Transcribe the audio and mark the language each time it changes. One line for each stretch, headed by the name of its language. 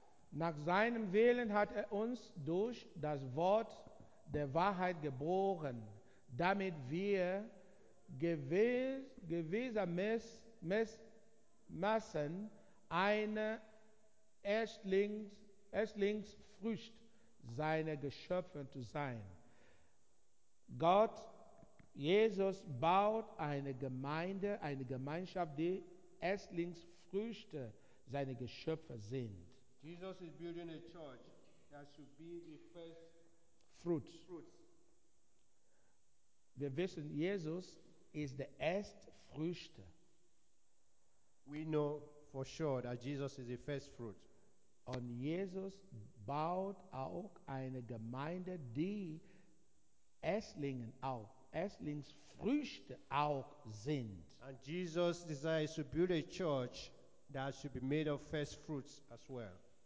German: Nach seinem Willen hat er uns durch das Wort der Wahrheit geboren, damit wir gewissermaßen eine Erstlingsfrucht seiner Geschöpfe zu sein. Gott, Jesus baut eine Gemeinde, eine Gemeinschaft, die Erstlingsfrüchte seiner Geschöpfe sind.
English: Jesus is building a church that should be the first fruit.
German: Wir wissen, Jesus ist der Erstfrüchte.
English: We know for sure that Jesus is the first fruit.
German: Und Jesus baut auch eine Gemeinde, die Erstlingsfrüchte auch sind.
English: And Jesus desires to build a church that should be made of first fruits as well.